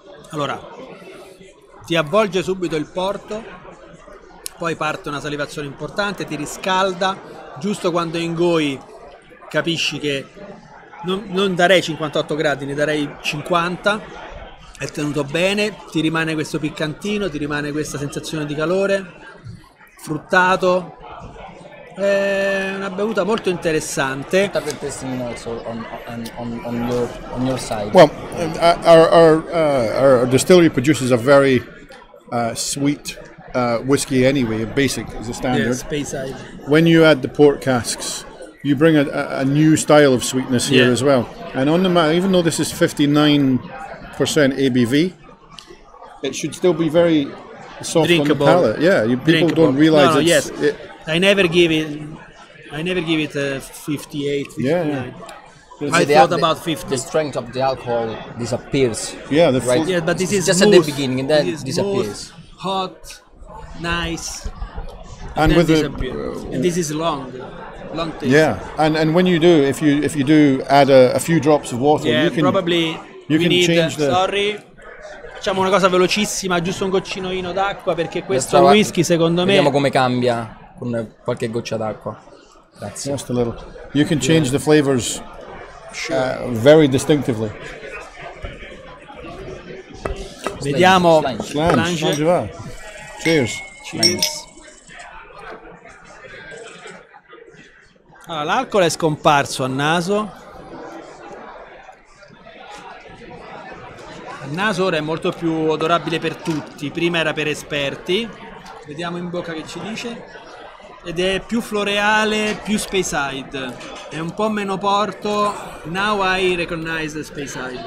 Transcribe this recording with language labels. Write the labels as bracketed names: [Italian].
[Italian] Allora, ti avvolge subito il porto, poi parte una salivazione importante, ti riscalda, giusto quando ingoi capisci che non darei 58 gradi, ne darei 50, è tenuto bene, ti rimane questo piccantino, ti rimane questa sensazione di calore, fruttato, è una bevuta molto interessante. [English] What are the testing also on your side? Well, our distillery produces a very sweet whiskey anyway, basic is the standard. Yeah, Speyside. When you add the port casks, you bring a new style of sweetness here as well. And on the even though this is 59% ABV, it should still be very soft. Drinkable. On the palate. Yeah, people don't realize I never give it 58, 59. Yeah. I thought about 50. The strength of the alcohol disappears. Yeah, but this is just smooth, at the beginning, and then it disappears. Smooth, hot, nice, and then with disappears. And this is long. Long taste. Yeah, and when you do, if you do add a few drops of water, yeah, you can probably you can need, change the. Sorry, [Italian] facciamo una cosa velocissima, giusto un goccinoino d'acqua, perché questo whisky secondo me. Vediamo come cambia con qualche goccia d'acqua. [English] Grazie. Just a little. You can change the flavors, sure, very distinctively. [Italian] Vediamo. [English] Slange. Cheers. Cheers. [Italian] Allora, l'alcol è scomparso al naso. Il naso ora è molto più odorabile per tutti. Prima era per esperti. Vediamo in bocca che ci dice. Ed è più floreale, più Speyside. È un po' meno porto. [English] Now I recognize the Speyside.